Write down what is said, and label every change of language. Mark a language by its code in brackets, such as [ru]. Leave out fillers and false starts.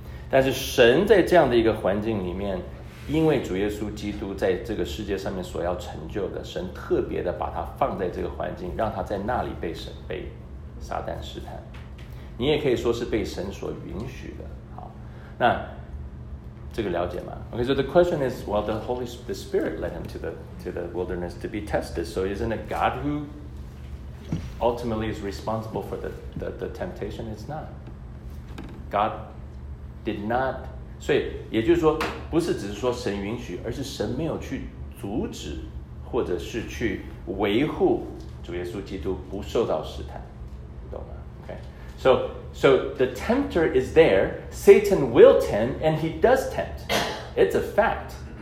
[zh] 但是神在这样的一个环境里面，因为主耶稣基督在这个世界上面所要成就的，神特别的把他放在这个环境，让他在那里被神被撒旦试探。你也可以说是被神所允许的。好，那这个了解吗？ [en] Okay, so the question is, well, the Spirit led him to the wilderness to be tested. So isn't it God who ultimately is responsible for the temptation? It's not. God did not. [zh] 所以也就是说，不是只是说神允许，而是神没有去阻止，或者是去维护主耶稣基督不受到试探，懂吗？ [en] Okay. So the tempter is there. Satan will tempt, and he does tempt. It's a fact.